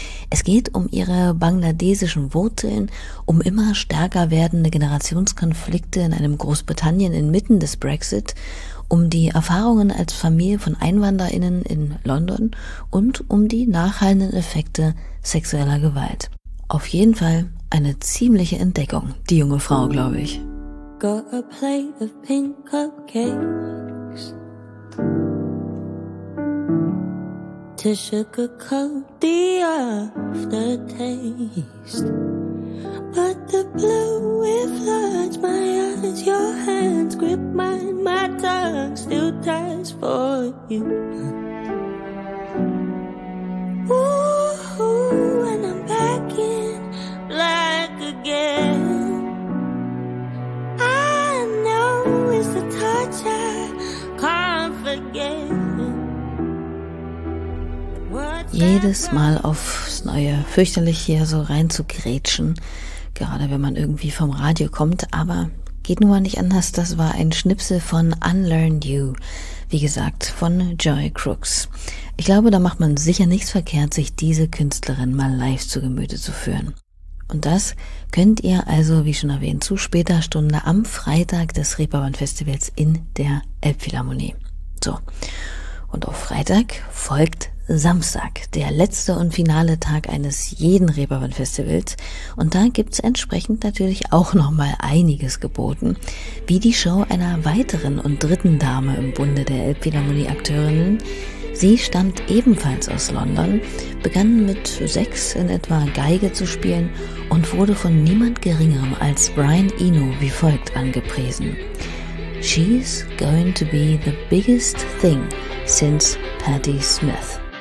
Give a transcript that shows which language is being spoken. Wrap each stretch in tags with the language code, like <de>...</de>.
<de>Es geht um ihre bangladesischen Wurzeln, um immer stärker werdende Generationskonflikte in einem Großbritannien inmitten des Brexit, um die Erfahrungen als Familie von EinwanderInnen in London und um die nachhallenden Effekte sexueller Gewalt. Auf jeden Fall eine ziemliche Entdeckung, die junge Frau, glaube ich.</de> <en>Got a plate of pink cupcakes to sugarcoat the aftertaste, but the blue it floods my eyes. your hands grip mine, my tongue still ties for you. Ooh, and I'm back in black again. I know it's the touch I can't forget.</en> <de>Jedes Mal aufs Neue, fürchterlich hier so rein zu grätschen, gerade wenn man irgendwie vom Radio kommt, aber geht nun mal nicht anders, das war ein Schnipsel von Unlearn You, wie gesagt, von Joy Crooks. Ich glaube, da macht man sicher nichts verkehrt, sich diese Künstlerin mal live zu Gemüte zu führen. Und das könnt ihr also, wie schon erwähnt, zu später Stunde am Freitag des Reeperbahn-Festivals in der Elbphilharmonie. So, und auf Freitag folgt Samstag, der letzte und finale Tag eines jeden Reeperbahn-Festivals. Und da gibt's entsprechend natürlich auch nochmal einiges geboten, wie die Show einer weiteren und dritten Dame im Bunde der Elbphilharmonie-Akteurinnen. Sie stammt ebenfalls aus London, begann mit 6 in etwa Geige zu spielen und wurde von niemand Geringerem als Brian Eno wie folgt angepriesen.</de> <en>She's going to be the biggest thing since Patti Smith.</en>